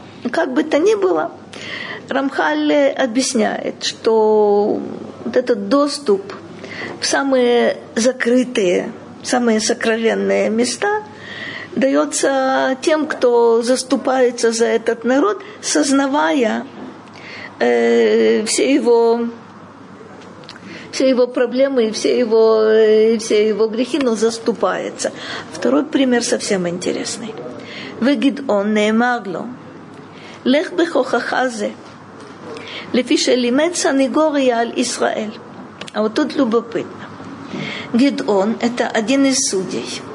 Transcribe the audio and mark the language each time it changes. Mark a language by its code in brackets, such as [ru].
[ru] Как бы то ни было, Рамхаль объясняет, что вот этот доступ в самые закрытые, самые сокровенные места дается тем, кто заступается за этот народ, сознавая все его проблемы и все его грехи, но заступается. Второй пример совсем интересный. [he] וגדעון נאמר לו, לך בכוחך זה, לפי שלימד סניגוריה על ישראל. אותו דלובופית. [ru] גדעון, это один из судей.